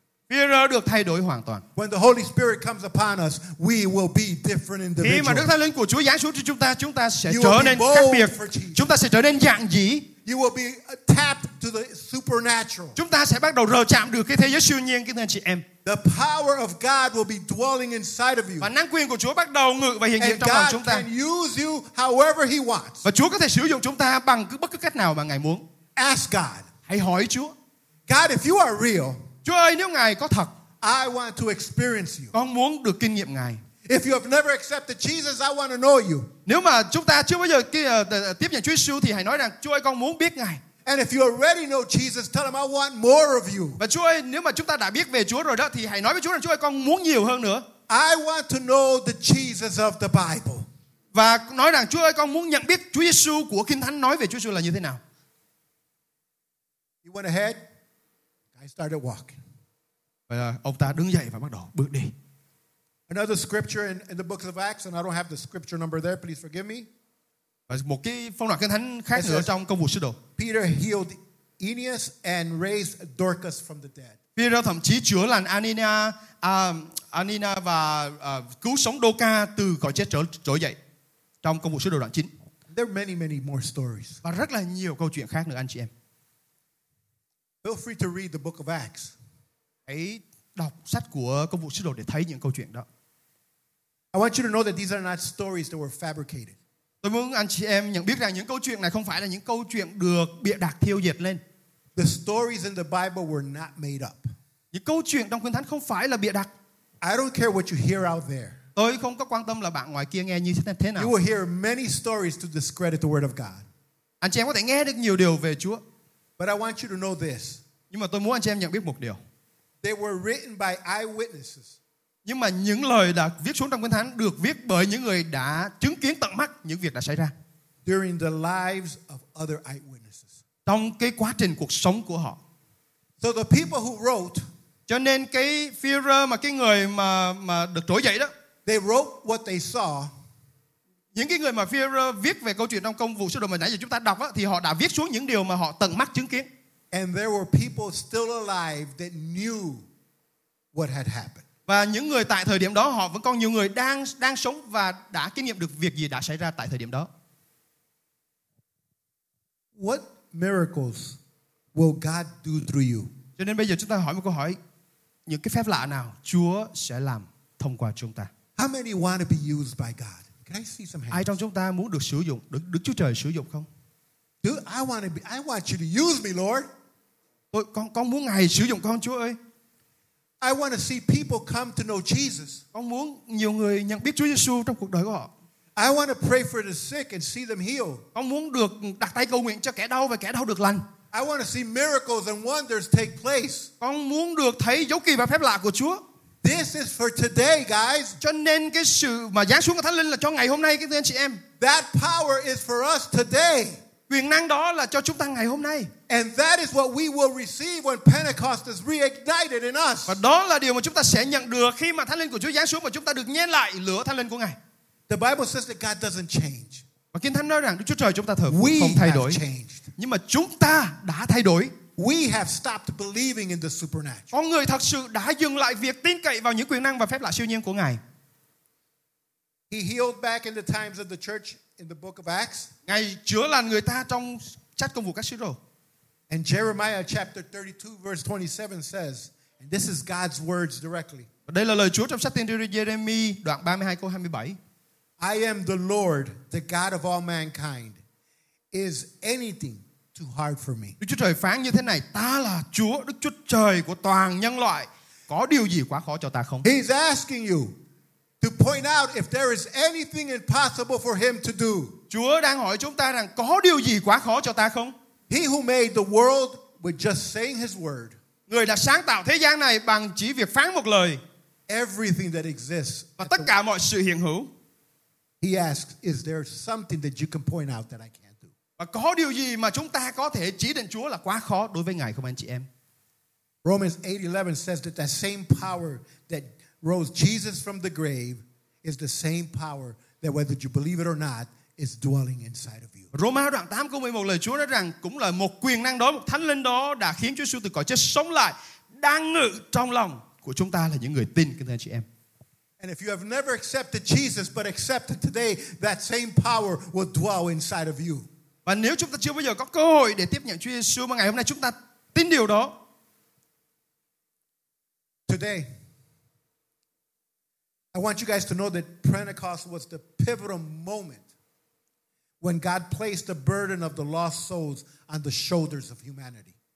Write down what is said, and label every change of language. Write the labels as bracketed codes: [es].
[vi] Peter được thay đổi hoàn toàn. [en] When the Holy Spirit comes upon us, we will be different individuals. [vi] Khi mà Đức Thánh Linh của Chúa giáng xuống cho chúng ta sẽ trở nên khác biệt. Chúng ta sẽ trở nên dạng dĩ. [en] You will be tapped to the supernatural. [vi] Chúng ta sẽ bắt đầu rờ chạm được cái thế giới siêu nhiên, kính thưa anh chị em. [en] The power of God will be dwelling inside of you. [vi] Và năng quyền của Chúa bắt đầu ngự và hiện diện trong lòng chúng ta. [en] And God can use you however He wants. [vi] Và Chúa có thể sử dụng chúng ta bằng bất cứ cách nào mà Ngài muốn. [en] Ask God. [vi] Hãy hỏi Chúa. [en] God, if you are real, [vi] Chúa ơi, nếu Ngài có thật, [en] I want to experience you. [vi] Con muốn được kinh nghiệm Ngài. [en] If you have never accepted Jesus, I want to know you. [vi] Nếu mà chúng ta chưa bao giờ tiếp nhận Chúa Giêsu thì hãy nói rằng Chúa ơi, con muốn biết Ngài. [en] And if you already know Jesus, tell him I want more of you. [vi] Và Chúa ơi, nếu mà chúng ta đã biết về Chúa rồi đó thì hãy nói với Chúa rằng Chúa ơi, con muốn nhiều hơn nữa. [en] I want to know the Jesus of the Bible. [vi] Và nói rằng Chúa ơi, con muốn nhận biết Chúa Giêsu của Kinh Thánh nói về Chúa Giêsu là như thế nào. [en] He went ahead. I started walking. [vi] Vậy là ông ta đứng dậy và bắt đầu bước đi. [en] Another scripture in the book of Acts, and I don't have the scripture number there. Please forgive me. [vi] Một cái phong đoạn kinh thánh khác nữa trong công vụ sứ đồ. [en] Peter healed Aeneas and raised Dorcas from the dead. [vi] Peter thậm chí chữa lành Anina và cứu sống Doca từ khỏi chết trỗi dậy trong công vụ sứ đồ đoạn 9. [en] There are many, many more stories. [vi] Và rất là nhiều câu chuyện khác nữa, anh chị em. [en] Feel free to read the book of Acts. [vi] Hãy đọc sách của công vụ sứ đồ để thấy những câu chuyện đó. [en] I want you to know that these are not stories that were fabricated. [vi] Tôi muốn anh chị em nhận biết rằng những câu chuyện này không phải là những câu chuyện được bịa đặt thiêu dệt lên. [en] The stories in the Bible were not made up. [vi] Những câu chuyện trong Kinh Thánh không phải là bịa đặt. [en] I don't care what you hear out there. [vi] Tôi không có quan tâm là bạn ngoài kia nghe như thế nào. [en] You will hear many stories to discredit the word of God. [vi] Anh chị em có thể nghe được nhiều điều về Chúa. [en] But I want you to know this. [vi] Nhưng mà tôi muốn anh chị em nhận biết một điều. [en] They were written by eyewitnesses. [vi] Nhưng mà những lời đã viết xuống trong Kinh Thánh được viết bởi những người đã chứng kiến tận mắt những việc đã xảy ra. [en] During the lives of other eyewitnesses. [vi] Trong cái quá trình cuộc sống của họ. [en] So the people who wrote, [vi] cho nên cái Führer mà cái người mà được trỗi dậy đó, [en] they wrote what they saw. [vi] Những cái người mà Führer viết về câu chuyện trong công vụ sứ đồ mà nãy giờ chúng ta đọc đó, thì họ đã viết xuống những điều mà họ tận mắt chứng kiến. [en] And there were people still alive that knew what had happened. [vi] Và những người tại thời điểm đó họ vẫn còn nhiều người đang sống và đã kinh nghiệm được việc gì đã xảy ra tại thời điểm đó. [en] What miracles will God do through you? [vi] Cho nên bây giờ chúng ta hỏi một câu hỏi, những cái phép lạ nào Chúa sẽ làm thông qua chúng ta? [en] How many want to be used by God? Can I see some hands? [vi] Ai trong chúng ta muốn được sử dụng, được Đức Chúa Trời sử dụng không? [en] Dude, I want you to use me, Lord. [vi] Con muốn Ngài sử dụng con, Chúa ơi. [en] I want to see people come to know Jesus. [vi] Con muốn nhiều người nhận biết Chúa Giêsu trong cuộc đời của họ. [en] I want to pray for the sick and see them healed. [vi] Ông muốn được đặt tay cầu nguyện cho kẻ đau và kẻ đau được lành. [en] I want to see miracles and wonders take place. [vi] Ông muốn được thấy dấu kỳ và phép lạ của Chúa. [en] This is for today, guys. [vi] Cho nên cái sự mà giáng xuống của Thánh Linh là cho ngày hôm nay, các anh chị em. [en] That power is for us today. [vi] Quyền năng đó là cho chúng ta ngày hôm nay. [en] And that is what we will receive when Pentecost is reignited in us. [vi] Và đó là điều mà chúng ta sẽ nhận được khi mà Thánh Linh của Chúa giáng xuống và chúng ta được nhen lại lửa Thánh Linh của Ngài. [en] The Bible says that God doesn't change. [vi] Và Kinh Thánh nói rằng Đức Chúa Trời chúng ta thờ không thay đổi. Nhưng mà chúng ta đã thay đổi. [en] We have stopped believing in the supernatural. [vi] Con người thật sự đã dừng lại việc tin cậy vào những quyền năng và phép lạ siêu nhiên của Ngài. [en] He healed back in the times of the church in the book of Acts. [vi] Ngài chữa lành người ta trong sách Công vụ các sứ đồ. [en] And Jeremiah chapter 32 verse 27 says, and this is God's words directly. [vi] Và đây là lời Chúa trong sách tiên tri Jeremy đoạn 32 câu 27. [en] I am the Lord, the God of all mankind. Is anything too hard for me? [vi] Đức Chúa Trời phán như thế này: Ta là Chúa, Đức Chúa Trời của toàn nhân loại. Có điều gì quá khó cho ta không? [en] He's asking you to point out if there is anything impossible for him to do. [vi] Chúa đang hỏi chúng ta rằng có điều gì quá khó cho ta không? [en] He who made the world with just saying his word. [vi] Người đã sáng tạo thế gian này bằng chỉ việc phán một lời. [en] Everything that exists. [vi] Và tất cả mọi sự hiện hữu. [en] He asks, is there something that you can point out that I can't? [vi] Và có điều gì mà chúng ta có thể chỉ định Chúa là quá khó đối với Ngài không anh chị em? [en] Romans 8:11 says that the same power that rose Jesus from the grave is the same power that whether you believe it or not is dwelling inside of you. [vi] Roma đoạn 8 câu 11 lời Chúa nói rằng cũng là một quyền năng đó, một thánh linh đó đã khiến Chúa Jesus từ cõi chết sống lại đang ngự trong lòng của chúng ta là những người tin, các anh chị em. [en] And if you have never accepted Jesus but accepted today, that same power will dwell inside of you. [vi] Và nếu chúng ta chưa bao giờ có cơ hội để tiếp nhận Chúa Giêsu mà ngày hôm nay chúng ta tin điều đó. [en] Today, I want you guys to know that Pentecost was the pivotal moment when God placed the burden of the lost souls on the shoulders of humanity.